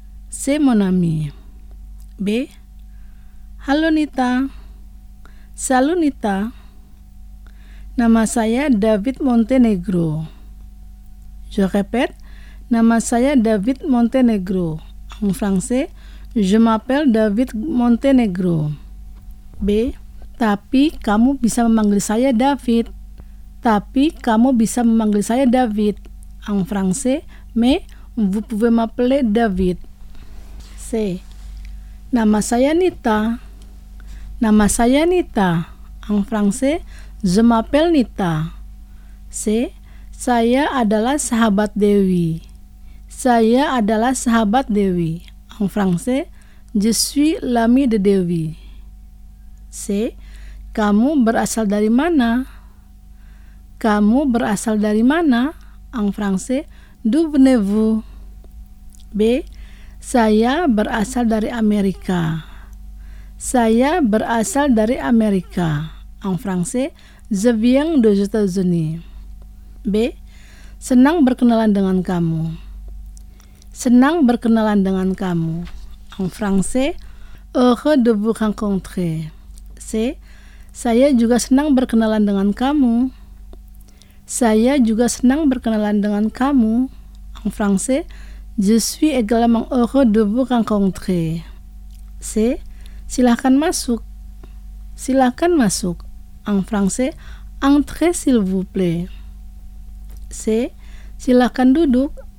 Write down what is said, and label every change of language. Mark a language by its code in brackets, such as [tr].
[fr] C'est mon ami. B. [id] Halo Nita. [fr] Salut Nita. [id] Nama saya David Montenegro. [fr] Je répète. [id] Nama saya David Montenegro. [fr] En français, je m'appelle David Montenegro. B. [id] Tapi kamu bisa memanggil saya David. Tapi kamu bisa memanggil saya David. [fr] En français, mais vous pouvez m'appeler David. C. [id] Nama saya Nita. Nama saya Nita. [fr] En français, je m'appelle Nita. C. [id] Saya adalah sahabat Dewi. Saya adalah sahabat Dewi. [fr] En français, je suis l'ami de Dewi. C. [id] Kamu berasal dari mana? Kamu berasal dari mana? [fr] En français, d'où venez-vous? B. [id] Saya berasal dari Amerika. Saya berasal dari Amerika. [fr] En français, je viens des États-Unis. B. [id] Senang berkenalan dengan kamu. Senang berkenalan dengan kamu. [fr] En français, heureux de vous rencontrer. C. [id] Saya juga senang berkenalan dengan kamu. Saya juga senang berkenalan dengan kamu. [fr] En français, je suis également heureux de vous rencontrer. C. [id] Silakan masuk. Silakan masuk. [fr] En français, entrez s'il vous plaît. C. [id] Silakan duduk.